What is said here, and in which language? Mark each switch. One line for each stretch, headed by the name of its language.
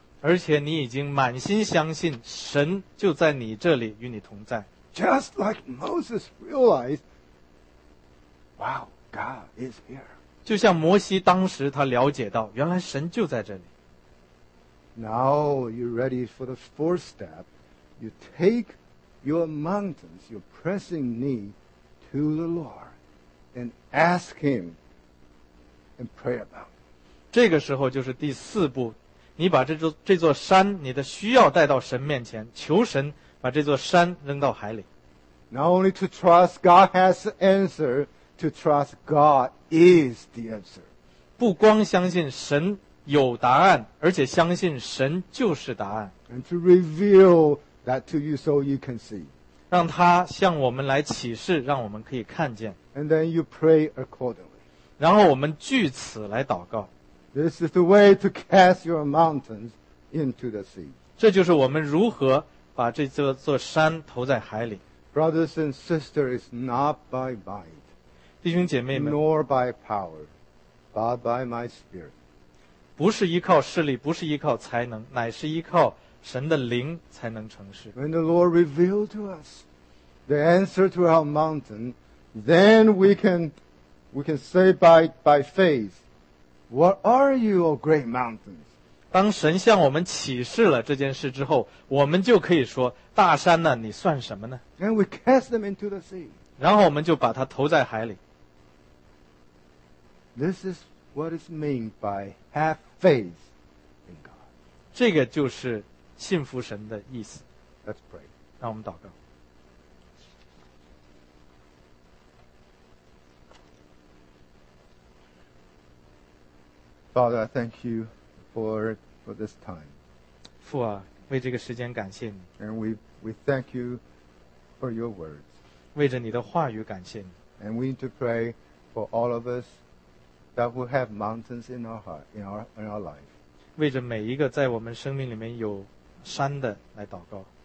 Chinese: 而且你已经满心相信神就在你这里与你同在。
English: Just like Moses realized, wow, God is here.
Chinese: 就像摩西当时他了解到原来神就在这里。
English: Now you're ready for the fourth step. You takeyour mountains, your pressing need to the Lord and ask Him and pray about it.
Chinese: 这个时候就是第四步，你把这座山你的需要带到神面前，求神把这座山扔到海里。
English: Not only to trust God has the answer, to trust God is the answer.
Chinese: 不光相信神有答案，而且相信神就是答案。
English: And to revealThat to you so you can see.
Chinese: 让他向我们来启示，让我们可以看见。
English: And then you pray accordingly.
Chinese: 然后我们据此来祷告。
English: This is the way to cast your mountains into the sea.
Chinese: 这就是我们如何把这座山投在海里。
English: Brothers and sisters, it's not by might.
Chinese: 弟兄姐妹们。
English: Nor by power, but by my spirit.
Chinese: 不是依靠势力，不是依靠才能，乃是依靠神的灵才能成事。
English: When the Lord revealed to us the answer to our mountain, then we can say by faith, What are you, O great mountains?
Chinese: 当神向我们启示了这件事之后，我们就可以说，大山呢，你算什么呢？
English: And we cast them into the sea.
Chinese: 然后我们就把它投在海里。
English: This is what is meant by have faith in God.
Chinese: 这个就是信服神的意思。
English: Let's pray.
Chinese: 让我们祷告。
English: Father, I thank you for this time.
Chinese: 父啊，为这个时间感谢你。
English: And we thank you for your words.
Chinese: 为着你的话语感谢你。
English: And we need to pray for all of us that will have mountains in our heart, in our life.
Chinese: 为着每一个在我们生命里面有山的来祷告。